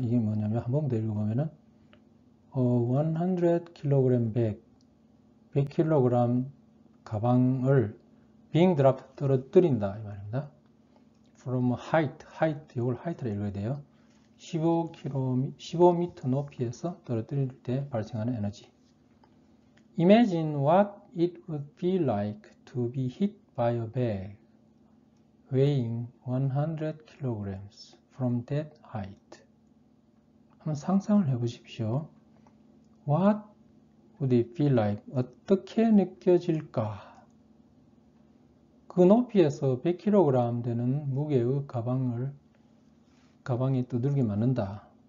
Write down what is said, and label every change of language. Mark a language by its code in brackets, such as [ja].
[ko] 이게 뭐냐면 한번 읽어보면은 [en] 100kg bag, [ko] 100kg 가방을 [en] Being dropped, [ko] 떨어뜨린다 이 말입니다. [en] From height, [ko] 이걸 height라 읽어야 돼요. 15m 높이에서 떨어뜨릴 때 발생하는 에너지. [en] Imagine what it would feel like to be hit by a bag weighing 100kg from that height. [ko] 한번 상상을 해보십시오. [en] What would it feel like? [ko] 어떻게 느껴질까? 그 높이에서 100kg 되는 무게의 가방을 가방에 두들겨 맞는다.